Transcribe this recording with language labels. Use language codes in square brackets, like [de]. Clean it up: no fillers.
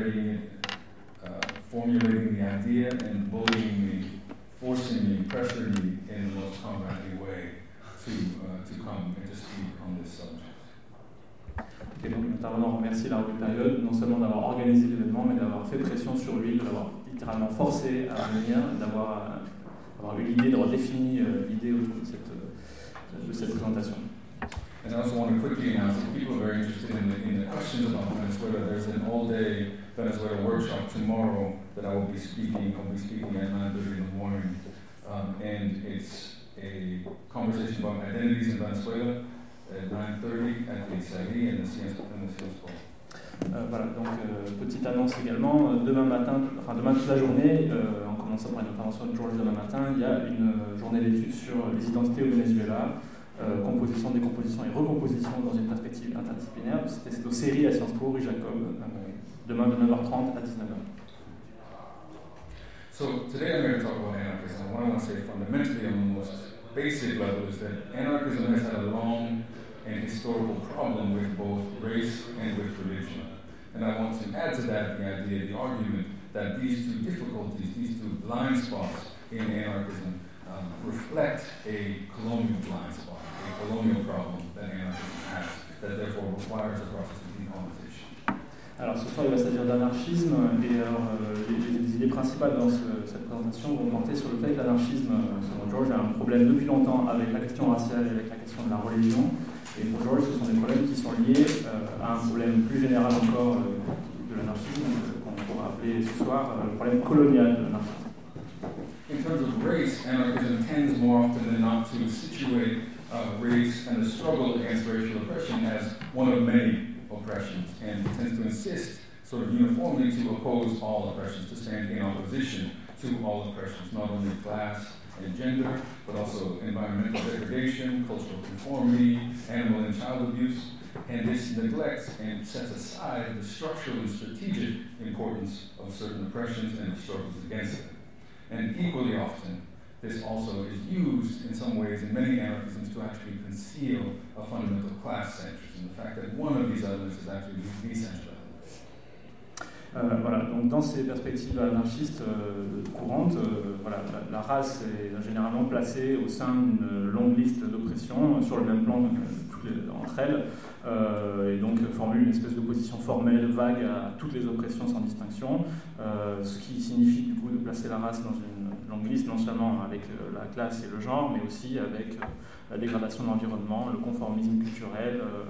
[en] me the idea and bullying me, forcing me, pressuring me in the most combative way to come and to speak on this subject. [fr] Okay, donc intervenant remercie la rue Période non seulement d'avoir organisé l'événement, mais d'avoir fait pression sur lui, de l'avoir littéralement forcé à venir, d'avoir eu l'idée, d'avoir défini l'idée autour de cette présentation. [en] And I also want to quickly announce that people are very interested in the questions about Venezuela. There's an all-day Venezuela workshop tomorrow that I will be speaking. I'll be speaking at 9:30 in the morning. And it's a conversation about identities in Venezuela at 9:30 at the SID and the Sciences Po. [fr] Voilà, donc petite annonce également, demain toute la journée, en commençant par une intervention de George demain matin, il y a une journée d'études sur les identités au Venezuela, composition, décomposition et recomposition dans une perspective interdisciplinaire. C'est aux séries à Sciences Po, Rue Jacob, demain de 9h30 à 19h. [en] So today I'm going to talk about anarchism. What I want to say fundamentally on the most basic level is that anarchism has had a long and historical problem with both race and with religion. And I want to add to that the idea, the argument, that these two difficulties, these two blind spots in anarchism reflect a colonial blind spot, a colonial problem that anarchism has, that therefore requires a process of decolonization. [fr] Alors ce soir il va s'agir d'anarchisme, et les idées principales dans cette présentation vont porter sur le fait que l'anarchisme, selon George, a un problème depuis longtemps avec la question raciale et avec la question de la religion. Et pour George, ce sont des problèmes qui sont liés à un problème plus général encore de l'anarchisme, qu'on pourra appeler ce soir le problème colonial de l'anarchisme. [en] In terms of race, anarchism tends more often than not to situate race and the struggle against racial oppression as one of many oppressions, and tends to insist sort of uniformly to oppose all oppressions, to stand in opposition to all oppressions, not only class and gender, but also environmental degradation, cultural conformity, animal and child abuse, and this neglects and sets aside the structural and strategic importance of certain oppressions and the struggles against them. And equally often, this also is used in some ways in many anarchisms to actually conceal a fundamental class centrism, the fact that one of these elements is actually the central. [fr] Voilà, donc dans ces perspectives anarchistes courantes, la race est généralement placée au sein d'une longue liste d'oppressions sur le même plan entre elles, et donc formule une espèce d'opposition formelle, vague à toutes les oppressions sans distinction, ce qui signifie du coup de placer la race dans une longue liste, non seulement avec la classe et le genre, mais aussi avec la dégradation de l'environnement, le conformisme culturel,